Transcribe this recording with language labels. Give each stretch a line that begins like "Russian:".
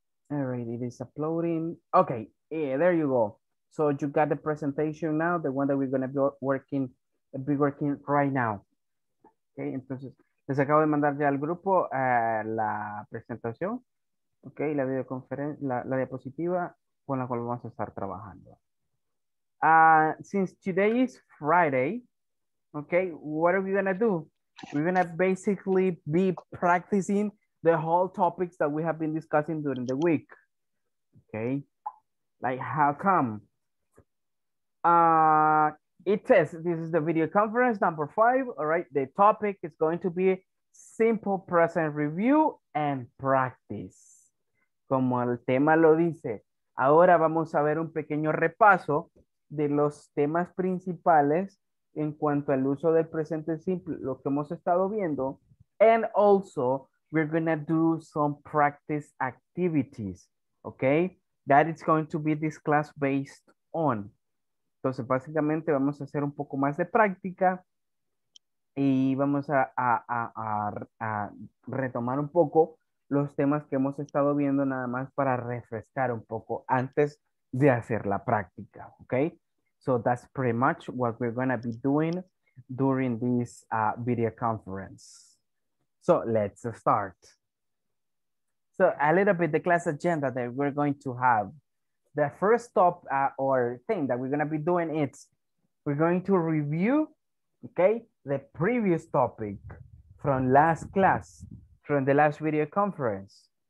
English: All right, it is uploading. Okay, yeah, there you go. So you got the presentation now, the one that we're gonna be working right now.
Spanish: Okay, entonces, les acabo de mandar ya al grupo la presentación. Okay, la videoconferencia, la diapositiva con la cual vamos a estar trabajando.
English: Since today is Friday, okay, what are we gonna do? We're gonna basically be practicing the whole topics that we have been discussing during the week, okay? Like, how come? It says, this is the video conference number 5, all right? The topic is going to be simple present review and practice.
Spanish: Como el tema lo dice, ahora vamos a ver un pequeño repaso de los temas principales en cuanto al uso del presente simple, lo que hemos estado viendo,
English: and also, we're gonna do some practice activities,
Spanish: okay?
English: That is going to be this class based on.
Spanish: Entonces, básicamente vamos a hacer un poco más de práctica y vamos a retomar un poco los temas que hemos estado viendo nada más para refrescar un poco antes de hacer la práctica, okay?
English: So that's pretty much what we're gonna be doing during this video conference. So let's start. So a little bit the class agenda that we're going to have. the first stop or thing that we're going to be doing is we're going to review, okay, the previous topic from last class, from the last video conference.